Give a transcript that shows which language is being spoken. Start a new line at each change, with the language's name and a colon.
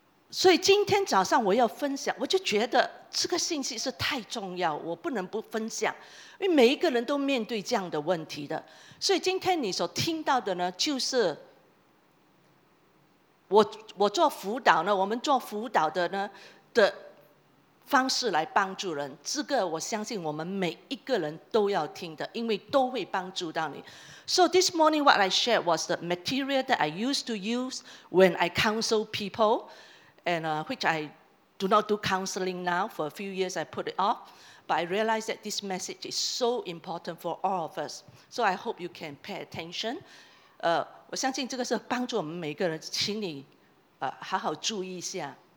Chinese: 所以今天早上我要分享，我就觉得这个信息是太重要，我不能不分享，因为每一个人都面对这样的问题的。所以今天你所听到的呢，就是我做辅导呢，我们做辅导的呢的方式来帮助人，这个我相信我们每一个人都要听的，因为都会帮助到你。
English: So this morning what I shared was the material that I used to use when I counsel people. And which I do not do counseling now. For a few years, I put it off. But I realize that this message is so important for all of us. So I hope you can pay attention.
Chinese: 我相信这个是帮助我们每个人，请你好好注意一下。